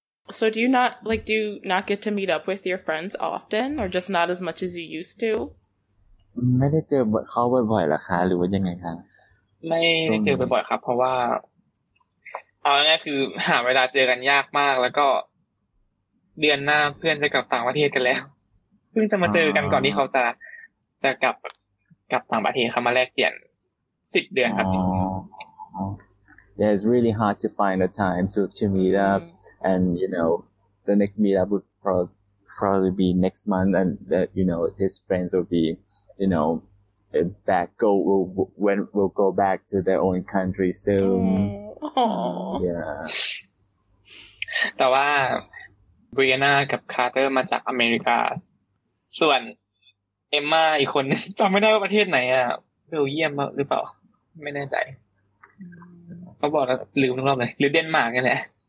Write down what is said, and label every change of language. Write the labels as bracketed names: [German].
[English] So do you not get to meet up with your friends often, or just not as much as you used to? [Thai] ไม่ได้เจอเขาบ่อยๆหรอคะหรือว่ายังไงคะ ไม่เจอบ่อยครับเพราะว่าเอาง่ายๆคือหาเวลาเจอกันยากมากแล้วก็เดือนหน้าเพื่อนจะกลับต่างประเทศกันแล้วเพิ่งจะมาเจอกันก่อนที่เขาจะกลับต่างประเทศครับมาแลกเปลี่ยน10เดือนครับ [English] There's really hard to find a time to meet up and you know the next meet up would probably be next month and that you know his friends will be you knowWe'll go back to their own country soon. Aww. Yeah. [Thai] แต่ว่า Brianna กับ Carter มาจากอเมริกาส่วน Emma อีกคนจำไม่ได้ว่าประเทศไหนอ่ะเบลเยียมหรือเปล่าไม่แน่ใจเขาบอกแล้วลืมทุกรอบเลยหรือเดนมาร์กนี่แหละ